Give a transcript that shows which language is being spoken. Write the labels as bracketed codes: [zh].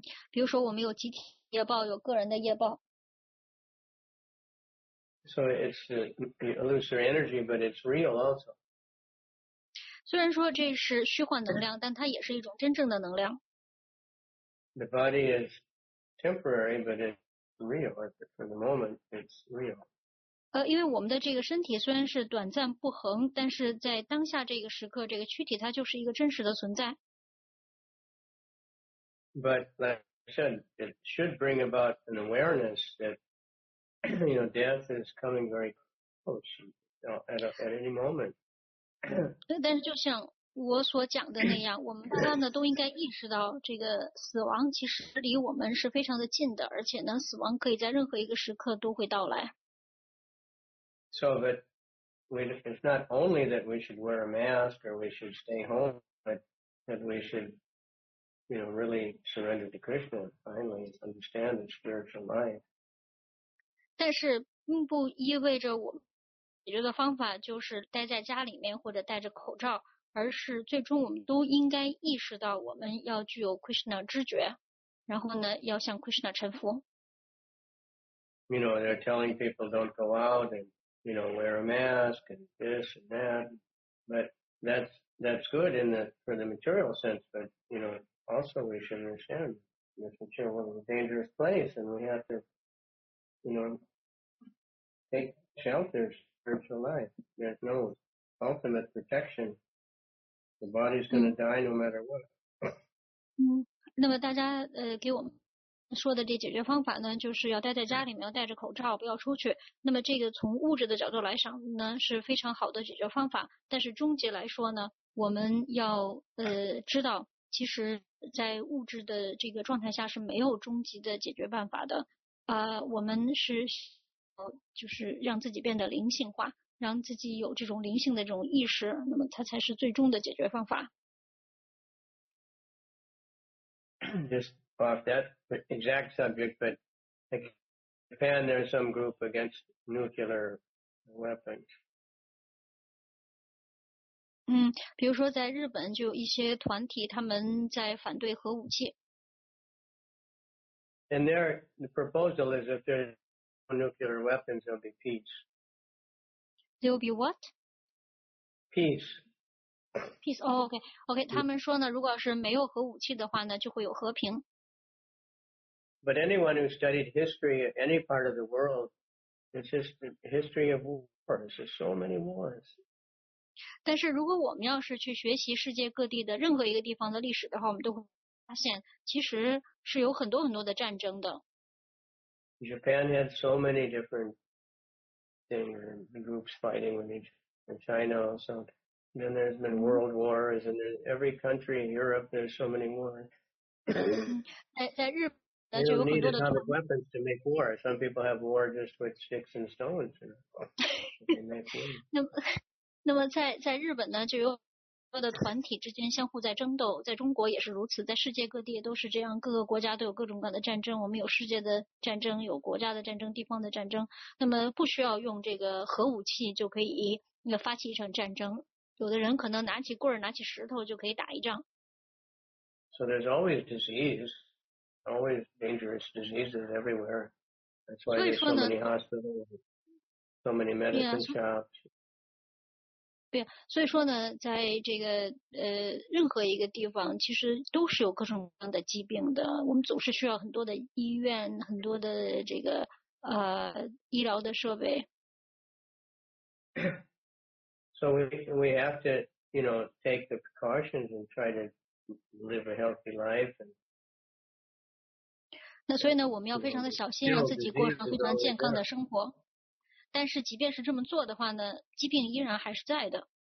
[zh] 比如说我们有集体业报，有个人的业报。 [en] So it's illusory energy, but it's real also. [zh] 虽然说这是虚幻能量，但它也是一种真正的能量。 [en] The body is temporary, but it's real. For the moment, it's real. [zh] 因为我们的这个身体虽然是短暂不恒，但是在当下这个时刻，这个躯体它就是一个真实的存在。 [en] But like I said, it should bring about an awareness that, you know, death is coming very close, you know, at any moment. [zh] 但是就像我所讲的那样，我们大家呢都应该意识到这个死亡其实离我们是非常的近的，而且呢死亡可以在任何一个时刻都会到来。 [en] So, but it's not only that we should wear a mask or we should stay home, but that we should, you know, really surrender to Krishna, finally understand the spiritual life. [zh] 但是并不意味着我们解决的方法就是待在家里面或者戴着口罩，而是最终我们都应该意识到我们要具有 Krishna 知觉，然后呢要向 Krishna 臣服。 [en] You know, they're telling people don't go out and, you know, wear a mask and this and that, but that's good in the, for the material sense, but, you know, also we should understand this material world is a dangerous place and we have to, you know, take shelter spiritual life. There's no ultimate protection. The body's going to die no matter what. [zh] 那么大家给我们说的这解决方法呢，就是要待在家里面，要戴着口罩，不要出去。那么这个从物质的角度来讲呢，是非常好的解决方法。但是终极来说呢，我们要知道，其实，在物质的这个状态下是没有终极的解决办法的。我们是就是让自己变得灵性化。让自己有这种灵性的这种意识，那么它才是最终的解决方法。 [en] Just off that exact subject, but in Japan, there's some group against nuclear weapons. [zh] 比如说在日本就一些团体他们在反对核武器。 [en] And their proposal is if there's no nuclear weapons, there'll be peace. There'll be what? Peace. Peace. Oh, okay. Okay. [zh] 他们说呢，如果是没有核武器的话呢，就会有和平。 [en] But anyone who studied history of any part of the world, it's just the history of war. It's just so many wars. [zh] 但是如果我们要是去学习世界各地的任何一个地方的历史的话，我们都会发现其实是有很多很多的战争的。 [en] Japan had so many different things and groups fighting with each other, and China also. Then there's been world wars, and there's every country in Europe, there's so many wars. [zh] 在日本 [en] They don't need atomic weapons to make war. Some people have war just with sticks and stones. You know, they make war. [zh] 那么在日本呢，就有很多的团体之间相互在争斗，在中国也是如此，在世界各地都是这样，各个国家都有各种各样的战争。我们有世界的战争，有国家的战争，地方的战争。那么不需要用这个核武器就可以发起一场战争。有的人可能拿起棍儿，拿起石头就可以打一仗。 [en] So there's always disease. Always dangerous diseases everywhere. That's why there's so many hospitals, so many medicine shops. [zh] 对，所以说呢，在这个任何一个地方，其实都是有各种各样的疾病的。我们总是需要很多的医院，很多的这个医疗的设备。 [en] So we have to, you know, take the precautions and try to live a healthy life and. [zh] 那所以呢，我们要非常的小心，让自己过上非常健康的生活。但是，即便是这么做的话呢，疾病依然还是在的。